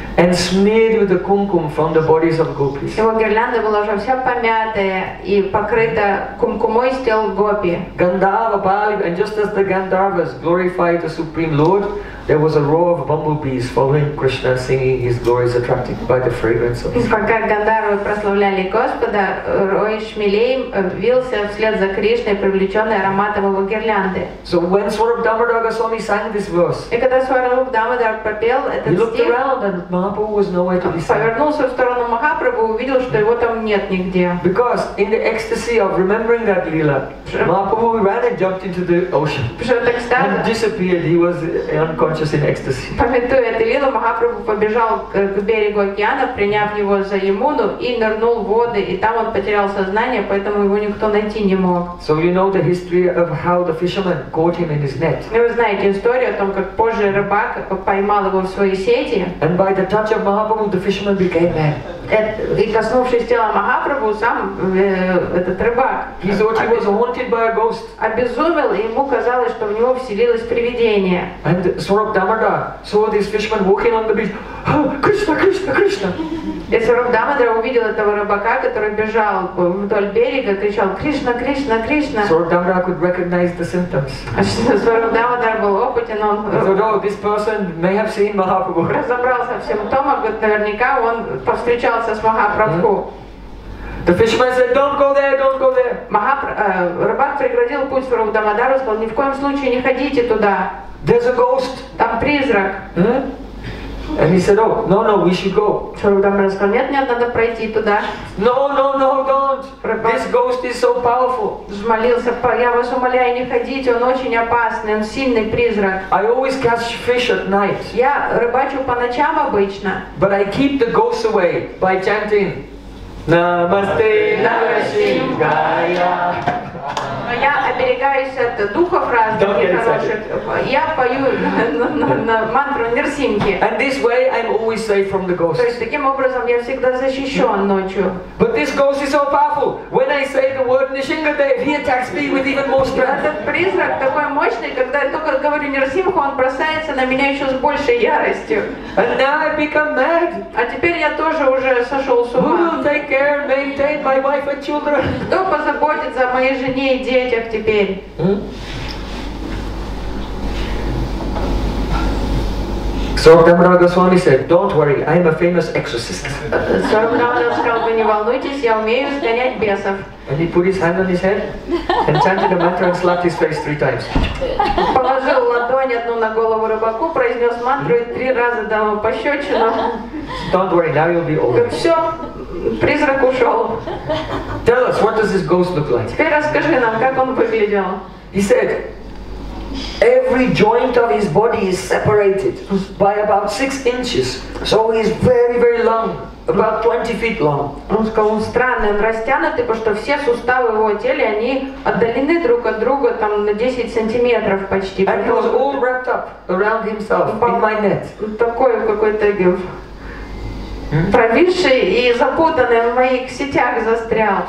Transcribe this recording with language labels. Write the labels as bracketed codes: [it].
[en] and smeared with the kumkum from the bodies of gopis. [ru] Его гирлянда была уже вся помятая и покрыта кумкумой из тел гопи. [en] Gandhava bowed, and just as the Gandharvas glorified the Supreme Lord, there was a row of bumblebees following Krishna, singing his glories, attracted by the fragrance of. [ru] И пока Гандхарвы прославляли Господа, рой шмелей вился вслед за Кришной, привлеченный ароматом его гирлянды. [en] So when Swarup Damodara Swami sang this verse, [ru] и когда Swarup Damodara пропел этот стих, [en] he looked around and Mahaprabhu was nowhere to be seen. [ru] Повернулся в сторону Махапрабху, увидел, что его там нет нигде. [en] Because in the ecstasy of remembering that lila, Mahaprabhu ran and jumped into the ocean and disappeared. He was unconscious in ecstasy. [ru] Памятуя эту лилу, Махапрабху побежал к берегу океана, приняв его за Ямуну, и нырнул в воды, и там он потерял сознание, поэтому его никто найти не мог. [en] So you know the history of how the fisherman caught him in his net. [ru] И вы знаете историю о том, как позже рыбак поймал его в свои сети. [en] And by the touch of Mahaprabhu, the fisherman became man. [ru] И коснувшись тела Махапрабху, сам этот рыбак. [en] He thought he was haunted by a ghost. [ru] Обезумел, и ему казалось, что в него вселилось привидение. [en] And Swarup Damodara saw this fisherman walking on the beach. Krishna, Krishna, Krishna. [ru] И Swarup Damodara увидел этого рыбака, который бежал вдоль берега, кричал Кришна, Кришна, Кришна. [en] Swarup Damodara could recognize the symptoms. [ru] Swarup Damodara был опытен, он. [en] Although this person may have seen Mahaprabhu. [ru] Разобрался в симптомах, говорит, наверняка он повстречался с Махапрабху. [en] The fisherman said, "Don't go there, don't go there." [ru] Рыбак преградил путь Swarup Damodara, сказал, ни в коем случае не ходите туда. [en] There's a ghost. [ru] Там призрак. [en] And he said, "Oh, no, no, we should go." [ru] Swarup Damodara сказал, нет, нет, надо пройти туда. [en] No, no, no, don't. This ghost is so powerful. [ru] Взмолился, я вас умоляю, не ходите, он очень опасный, он сильный призрак. [en] I always catch fish at night. [ru] Я рыбачу по ночам обычно. [en] But I keep the ghost away by chanting. [sa] Namaste Narasimhaya. [ru] Я оберегаюсь от духов разных нехороших. Я пою на мантру Нирсимхи. [en] And this way I'm always safe from the ghosts. [ru] То есть таким образом я всегда защищен ночью. [en] But this ghost is so powerful. When I say the word Nrisimhadev, he attacks me with even more strength. [ru] Этот призрак такой мощный, когда я только говорю Нирсимху, он бросается на меня еще с большей яростью. [en] And now I become mad. [ru] А теперь я тоже уже сошел с ума. [en] Care, maintain my wife and children. [ru] Кто позаботится о моей жене и детях теперь? [en] Swarup Damodara Goswami said, "Don't worry, I am a famous exorcist." [ru] Swarup Damodara сказал, вы не волнуйтесь, я умею сгонять бесов. [en] And he put his hand on his head and chanted a mantra and slapped his face 3 times. [ru] Положил ладонь одну на голову рыбаку, произнес мантру и 3 раза дал ему пощечину. [en] Don't worry, now you'll be over. [ru] Все, призрак ушел. [en] Tell us, what does this ghost look like? [ru] Теперь расскажи нам, как он выглядел. [en] He said, every joint of his body is separated by about 6 inches, so he's very, very long, about 20 feet long. [ru] Он сказал, он странный, он растянутый, потому что все суставы его тела, они отдалены друг от друга там на 10 сантиметров почти. [en] And he was all wrapped up around himself in my net. [ru] Такой какой-то провисший и запутанный в моих сетях застрял.